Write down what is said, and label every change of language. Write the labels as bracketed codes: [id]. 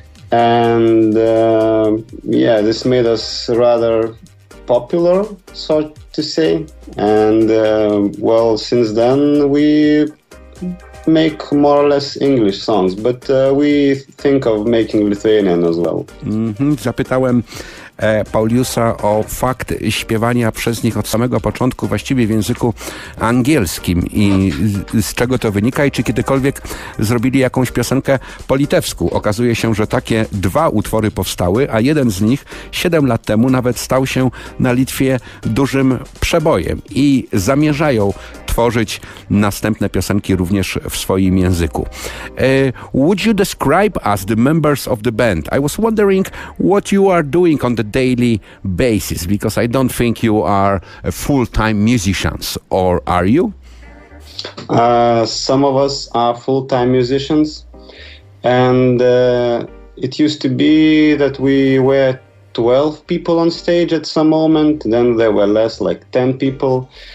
[en] And yeah, this made us rather popular, so to say. And well, since then we make more or less English songs, but we think of making Lithuanian as well. Mm-hmm. [pl] Zapytałem Pauliusa o fakt śpiewania przez nich od samego początku właściwie w języku angielskim i z czego to wynika i czy kiedykolwiek zrobili jakąś piosenkę po litewsku. Okazuje się, że takie dwa utwory powstały, a jeden z nich 7 lat temu nawet stał się na Litwie dużym przebojem i zamierzają tworzyć następne piosenki również w swoim języku. [en] Would you describe us the members of the band? I was wondering what you are doing on the daily basis, because I don't think you are a full-time musicians, or are you? Some of us are full-time musicians, and it used to be that we were 12 people on stage at some moment, then there were less, like 10 people.